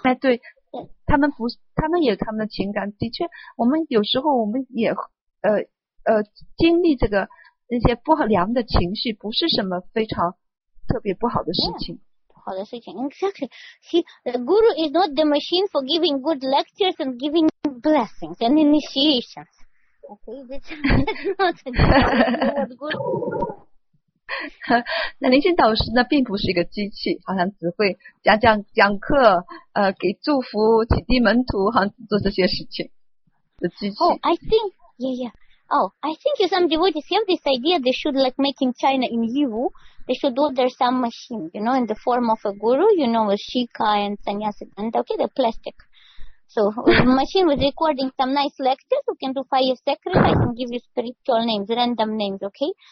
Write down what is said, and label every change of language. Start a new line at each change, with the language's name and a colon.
Chinese: 哎，对，他们不，他们也有他们的情感。的确，我们有时候我们也经历这个那些不良的情绪，不是什么非常特别不好的事情。
English: Yeah,
Chinese: 不好的事情
English: ，exactly. See, the guru is not the machine for giving good lectures and giving blessings and initiations. Okay, that's not good.
Chinese: 那灵性导师呢，并不是一个机器，好像只会讲课，给祝福、启迪门徒，好像做这些事情的机器。
English: I think some devotees have this idea they should like make in China in Yiwu, they should order some machine, you know, in the form of a guru, you know, with Shika and Sanyasi, and okay, the plastic. So a machine with recording some nice lectures, you can do 5 years sacrifice and give you spiritual names, random names, okay?